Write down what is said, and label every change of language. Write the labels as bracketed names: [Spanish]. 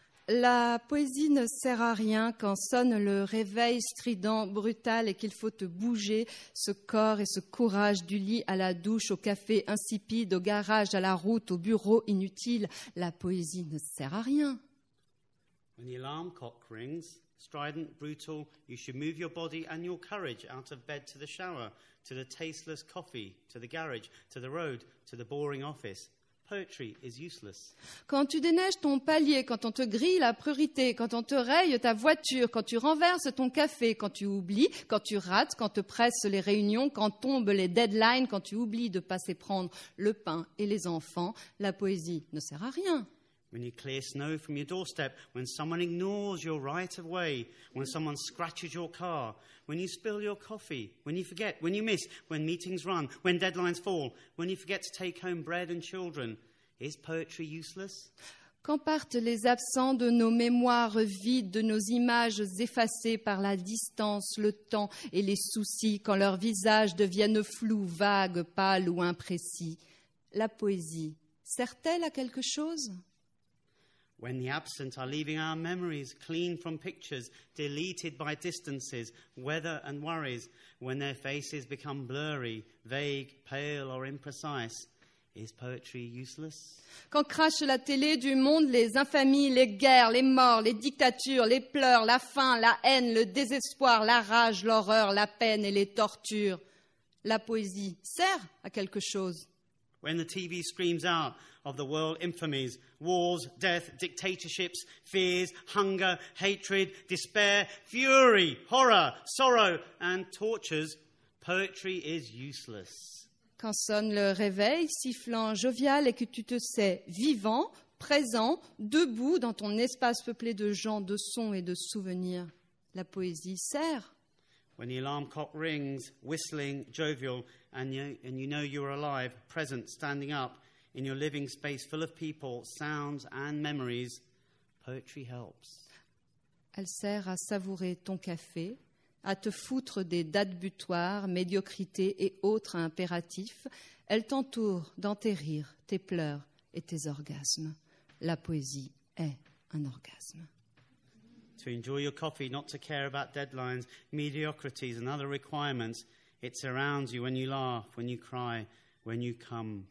[French] La poésie ne sert à rien quand sonne le réveil strident, brutal, et qu'il faut te bouger ce corps et ce courage du lit à la douche, au café insipide, au garage, à la route, au bureau inutile. La poésie ne sert à rien. [English] When the alarm clock rings, strident, brutal, you should move your body and your courage out of bed to the shower, to the tasteless coffee, to the garage, to the road, to the boring office. Poetry is useless. [French] Quand tu déneiges ton palier, quand on te grille la priorité, quand on te raye ta voiture, quand tu renverses ton café, quand tu oublies, quand tu rates, quand te pressent les réunions, quand tombent les deadlines, quand tu oublies de passer prendre le pain et les enfants, la poésie ne sert à rien. [English] When you clear snow from your doorstep, when someone ignores your right of way, when someone scratches your car, when you spill your coffee, when you forget, when you miss, when meetings run, when deadlines fall, when you forget to take home bread and children, is poetry useless? [French] Quand partent les absents de nos mémoires vides, de nos images effacées par la distance, le temps et les soucis, quand leurs visages deviennent flous, vagues, pâles ou imprécis, la poésie sert-elle à quelque chose? [English] When the absent are leaving our memories clean from pictures, deleted by distances, weather and worries, when their faces become blurry, vague, pale or imprecise, is poetry useless? [French] Quand crache la télé du monde, les infamies, les guerres, les morts, les dictatures, les pleurs, la faim, la haine, le désespoir, la rage, l'horreur, la peine et les tortures, la poésie sert à quelque chose? [English] When the TV screams out of the world infamies, wars, death, dictatorships, fears, hunger, hatred, despair, fury, horror, sorrow, and tortures, poetry is useless. [French] Quand sonne le réveil, sifflant, jovial, et que tu te sais vivant, présent, debout, dans ton espace peuplé de gens, de sons et de souvenirs, la poésie sert. [English] When the alarm clock rings, whistling, jovial, and you know you are alive, present, standing up in your living space full of people, sounds, and memories, poetry helps. [French] Elle sert à savourer ton café, à te foutre des dates butoirs, médiocrité et autres impératifs. Elle t'entoure dans tes rires, tes pleurs et tes orgasmes. La poésie est un orgasme. [English] To enjoy your coffee, not to care about deadlines, mediocrities and other requirements. It surrounds you when you laugh, when you cry, when you come.